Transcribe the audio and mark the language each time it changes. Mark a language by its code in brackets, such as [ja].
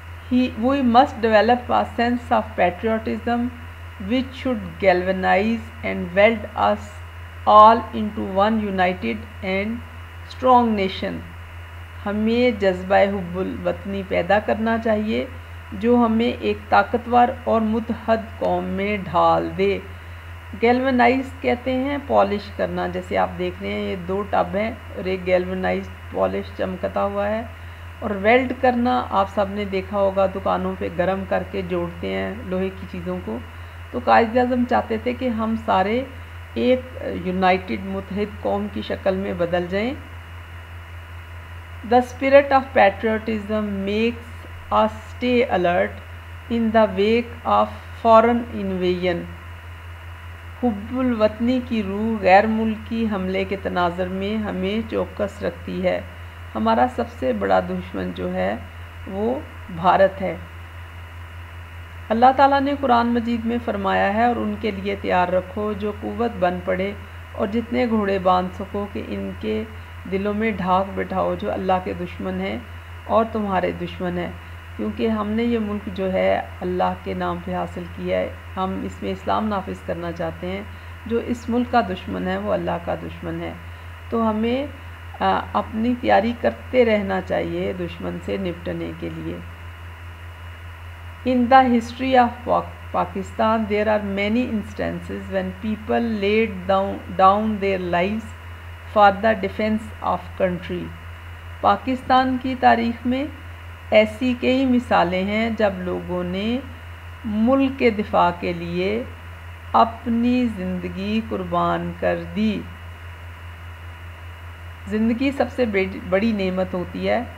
[en] We must develop a sense of patriotism which should galvanize and weld us all into one united and strong nation. [ur] ہمیں جذبہ حب الوطنی پیدا کرنا چاہیے جو ہمیں ایک طاقتور اور متحد قوم میں ڈھال دے. galvanize کہتے ہیں پالش کرنا. جیسے آپ دیکھ رہے ہیں یہ دو ٹب ہیں اور ایک galvanize پالش چمکتا ہوا ہے. اور ویلڈ کرنا آپ سب نے دیکھا ہوگا، دکانوں پہ گرم کر کے جوڑتے ہیں لوہے کی چیزوں کو. تو قائد اعظم چاہتے تھے کہ ہم سارے ایک یونائٹڈ متحد قوم کی شکل میں بدل جائیں. [en] The spirit of patriotism makes us stay alert in the wake of foreign invasion. [ur] حب الوطنی کی روح غیر ملکی حملے کے تناظر میں ہمیں چوکس رکھتی ہے. ہمارا سب سے بڑا دشمن جو ہے وہ بھارت ہے. اللہ تعالیٰ نے قرآن مجید میں فرمایا ہے، اور ان کے لیے تیار رکھو جو قوت بن پڑے اور جتنے گھوڑے باندھ سکو، کہ ان کے دلوں میں ڈھاک بٹھاؤ جو اللہ کے دشمن ہیں اور تمہارے دشمن ہیں. کیونکہ ہم نے یہ ملک جو ہے اللہ کے نام پہ حاصل کیا ہے، ہم اس میں اسلام نافذ کرنا چاہتے ہیں. جو اس ملک کا دشمن ہے وہ اللہ کا دشمن ہے. تو ہمیں اپنی تیاری کرتے رہنا چاہیے دشمن سے نپٹنے کے لیے. [en] In the history of Pakistan there are many instances when people laid down their life for the defence of country. [ur] Pakistan کی تاریخ میں ایسی کئی مثالیں ہیں جب لوگوں نے ملک کے دفاع کے لیے اپنی زندگی قربان کر دی. زندگی سب سے بڑی نعمت ہوتی ہے.